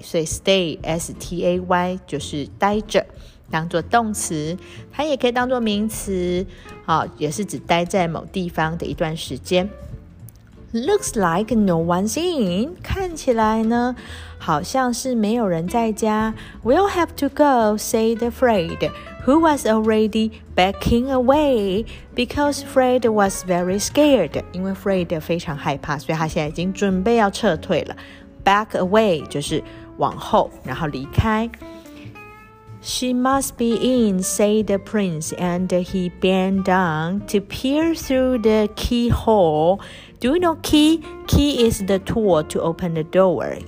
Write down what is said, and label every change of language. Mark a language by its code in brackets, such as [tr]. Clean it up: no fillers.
[zh] 所以 stay, S-T-A-Y, 就是待着，当做动词。它也可以当做名词，也是指待在某地方的一段时间。 [en] Looks like no one's in. [zh] 看起来呢，好像是没有人在家。 [en] We'll have to go, said Fred, who was already backing away because Fred was very scared. [zh] 因为 Fred 非常害怕，所以他现在已经准备要撤退了。 Back away 就是往后，然后离开。 [en] She must be in, said the prince, and he bent down to peer through the keyhole. Do you know key? Key is the tool to open the door.